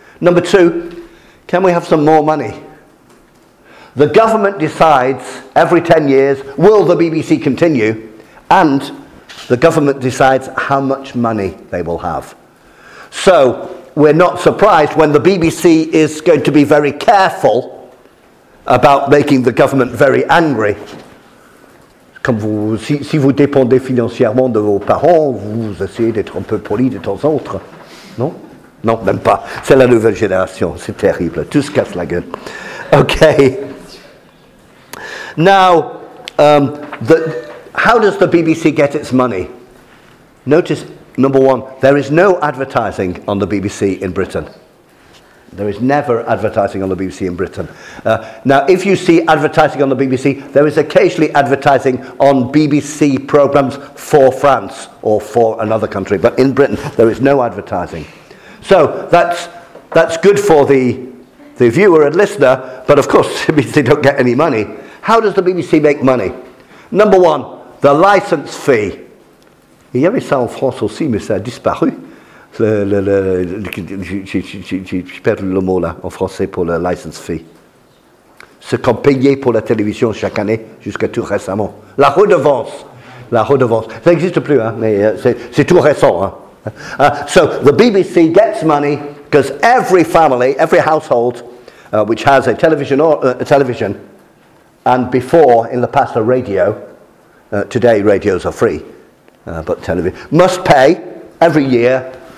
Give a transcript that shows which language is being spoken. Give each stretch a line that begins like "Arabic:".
English: Number two, can we have some more money? The government decides every 10 years, will the BBC continue? And the government decides how much money they will have. So we're not surprised when the BBC is going to be very careful about making the government very angry.
French: Comme vous, si vous dépendez financièrement de vos parents, vous essayez d'être un peu poli de temps en autre. Non? Non, même pas. C'est la nouvelle génération. C'est terrible. Tout se casse la gueule. Okay.
English: Now, how does the BBC get its money? Notice, number one, there is no advertising on the BBC in Britain. There is never advertising on the BBC in Britain. Now, if you see advertising on the BBC, there is occasionally advertising on BBC programmes for France or for another country. But in Britain, there is no advertising. So that's good for the viewer and listener, but of course, BBC don't get any money. How does the BBC make money? Number one, the licence fee.
French: Il y avait ça en France aussi, mais ça a disparu. Je perds le mot là en français pour la license fee. Ce qu'on payait pour la télévision chaque année jusqu'à tout récemment. La redevance. La redevance. Ça n'existe plus, hein, mais c'est tout récent. Hein.
English: So the BBC gets money because every family, every household which has a television or a television, and before in the past a radio, today radios are free, but television, must pay every year.